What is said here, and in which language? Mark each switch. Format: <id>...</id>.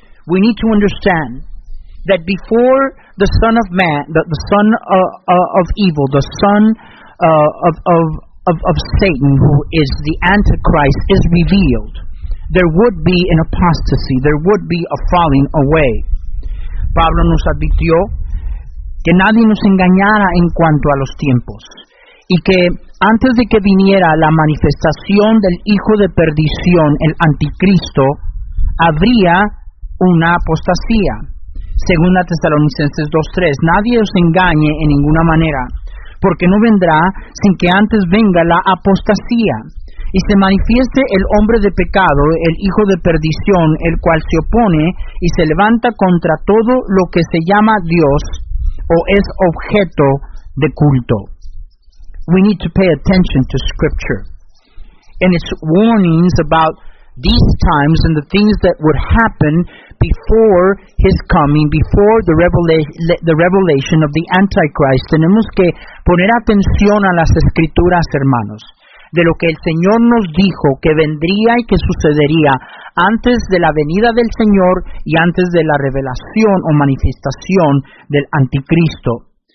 <en>We need to understand that before the Son of Man, the son of evil, the son of Satan, who is the Antichrist, is revealed, there would be an apostasy. There would be a falling away.</en> <es>Pablo nos advirtió que nadie nos engañara en cuanto a los tiempos, y que antes de que viniera la manifestación del Hijo de Perdición, el Anticristo, habría una apostasía. Según la Tesalonicenses 2:3, nadie os engañe en ninguna manera, porque no vendrá sin que antes venga la apostasía, y se manifieste el hombre de pecado, el hijo de perdición, el cual se opone y se levanta contra todo lo que se llama Dios o es objeto de culto.</es> <en>We need to pay attention to Scripture and its warnings about these times and the things that would happen before his coming, before the revelation of the Antichrist.</en> <es>Tenemos que poner atención a las Escrituras, hermanos, de lo que el Señor nos dijo que vendría y que sucedería antes de la venida del Señor y antes de la revelación o manifestación del Anticristo.</es>